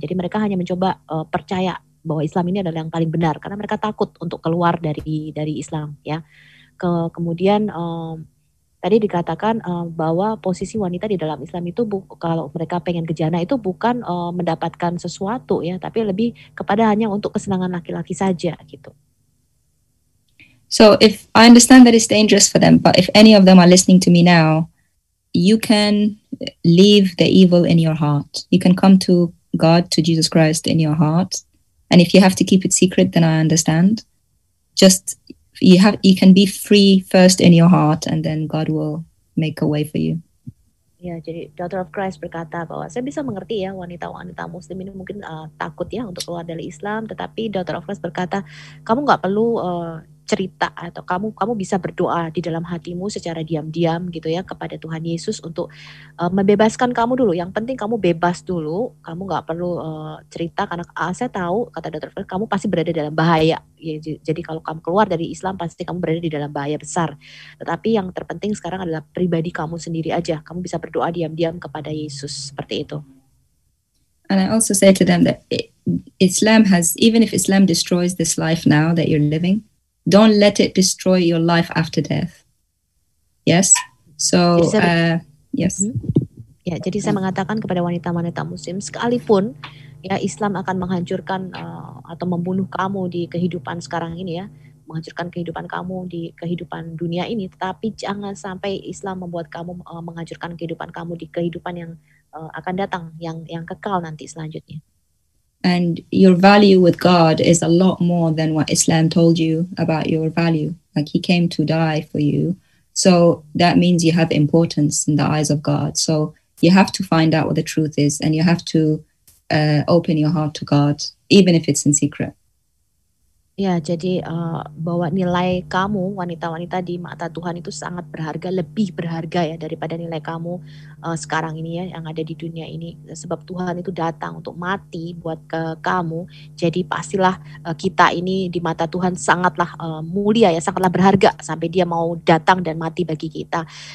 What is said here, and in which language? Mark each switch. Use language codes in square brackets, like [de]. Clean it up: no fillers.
[id] Jadi mereka hanya mencoba percaya bahwa Islam ini adalah yang paling benar karena mereka takut untuk keluar dari Islam ya. Kemudian tadi dikatakan bahwa posisi wanita di dalam Islam itu kalau mereka pengen ke Jannah itu bukan mendapatkan sesuatu ya, tapi lebih kepada hanya untuk kesenangan laki-laki saja gitu. [en] So if I understand that it's dangerous for them, but if any of them are listening to me now, you can leave the evil in your heart. You can come to God, to Jesus Christ in your heart. And if you have to keep it secret, then I understand. Just you can be free first in your heart and then God will make a way for you. [id] Ya, jadi Daughter of Christ berkata bahwa saya bisa mengerti ya, wanita-wanita Muslim ini mungkin takut ya untuk keluar dari Islam, tetapi Daughter of Christ berkata, kamu enggak perlu cerita atau kamu bisa berdoa di dalam hatimu secara diam-diam gitu ya kepada Tuhan Yesus untuk membebaskan kamu dulu. Yang penting kamu bebas dulu, kamu enggak perlu cerita karena saya tahu, kata Daughter of Christ, kamu pasti berada dalam bahaya. Jadi kalau kamu keluar dari Islam pasti kamu berada di dalam bahaya besar. Tetapi yang terpenting sekarang adalah pribadi kamu sendiri aja. Kamu bisa berdoa diam-diam kepada Yesus seperti itu. [en] And I also say to them that Islam has, even if Islam destroys this life now that you're living, don't let it destroy your life after death. Yes? So, yes. Mm-hmm. [id] Ya, jadi saya mengatakan kepada wanita-wanita Muslim, sekalipun ya Islam akan menghancurkan atau membunuh kamu di kehidupan sekarang ini ya, menghancurkan kehidupan kamu di kehidupan dunia ini, tetapi jangan sampai Islam membuat kamu menghancurkan kehidupan kamu di kehidupan yang akan datang, yang kekal nanti selanjutnya. [en] And your value with God is a lot more than what Islam told you about your value. Like, he came to die for you So that means you have importance in the eyes of God. So you have to find out what the truth is, and you have to open your heart to God, even if it's in secret. [id] Ya, jadi bahwa nilai kamu wanita-wanita di mata Tuhan itu sangat berharga, lebih berharga ya daripada nilai kamu sekarang ini ya yang ada di dunia ini. Sebab Tuhan itu datang untuk mati buat ke kamu. Jadi pastilah kita ini di mata Tuhan sangatlah mulia ya, sangatlah berharga sampai dia mau datang dan mati bagi kita.